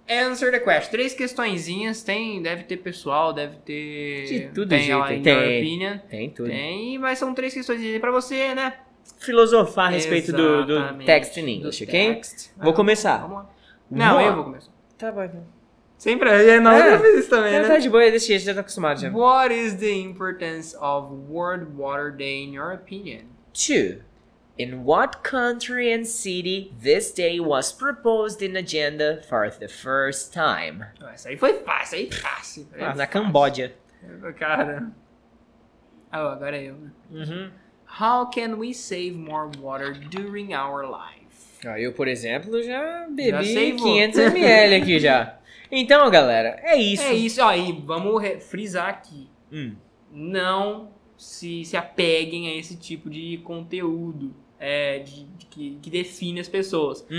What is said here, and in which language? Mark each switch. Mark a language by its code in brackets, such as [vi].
[en] Answer the question. [pt] Três questõezinhas. Deve ter pessoal, deve ter... De tudo, tem jeito. [en] Tem your opinion. [pt] Tem tudo. Tem, mas são três questõezinhas pra você, né? Filosofar a respeito do [en] text in English, [pt] do ok? [en] Text. [pt] Vou começar. Vamos lá. Não, eu vou começar. Tá bom, então. Sempre, é na outra vez isso também, né? Tá de boa, desse jeito, já tá acostumado já. [en] What is the importance of World Water Day in your opinion? 2. In what country and city this day was proposed in agenda for the first time? [pt] Essa aí foi fácil, aí fácil. Ah, na Cambódia. Cara. Oh, agora eu. Uhum. [en] How can we save more water during our life? [pt] Ah, eu, por exemplo, já bebi 500ml aqui já. Então, galera, é isso. É isso. Aí, vamos frisar aqui. Não se apeguem a esse tipo de conteúdo que define as pessoas.